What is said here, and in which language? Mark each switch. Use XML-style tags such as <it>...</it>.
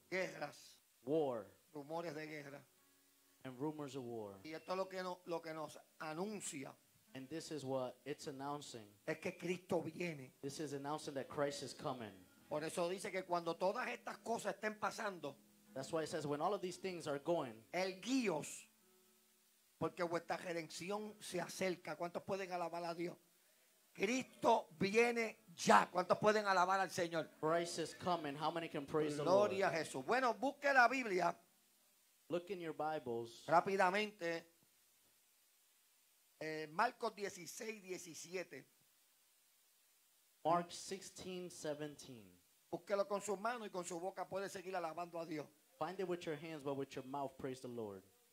<es>Guerras.</es> <en>War.</en> <es>Rumores de guerra.</es> <en>And rumors of war.</en> <es>Y esto es lo que nos anuncia.</es> <en>And this is what it's announcing.</en> <es>Es que Cristo viene.</es> <en>This is announcing that Christ is coming.</en> <es>Por eso dice que cuando todas estas cosas estén pasando.</es> <en>That's why it says when all of these things are going.</en> <es>El guíos. Porque vuestra redención se acerca. ¿Cuántos pueden alabar a Dios? Cristo viene ya. ¿Cuántos pueden alabar al Señor?</es> <en>Christ is coming. How many can praise the Lord?</en> <es>Gloria a Jesús. Bueno, busque la Biblia.</es> <en>Look in your Bibles.</en> <es>Rápidamente. Marcos 16, 17.</es> <en>Mark 16, 17.</en> <es>Búsquelo con sus manos y con su boca puede seguir alabando a Dios.</es> <en>Find it with your hands, but with your mouth, praise the Lord.</en>